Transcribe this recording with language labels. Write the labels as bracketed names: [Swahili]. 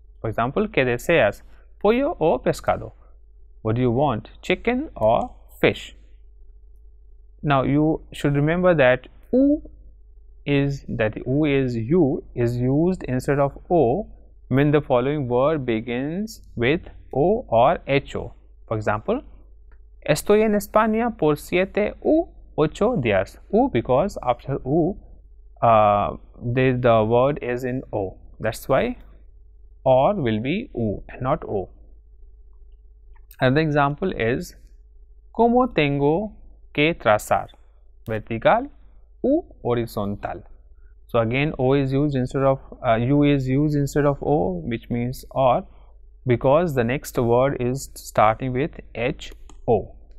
[English] For example, [Spanish] ¿qué deseas? ¿Pollo o pescado? [English] What do you want? ¿Chicken or fish? Now, you should remember that U is used instead of O when the following word begins with O or HO. For example, [Spanish] estoy en España por 7 u 8 días. [English] U, because after U, the word is in O. That's why or will be U and not O. Another example is [Spanish] ¿cómo tengo que trazar? Vertical u horizontal. [English] So again, O is used instead of U is used instead of O, which means or, because the next word is starting with H O.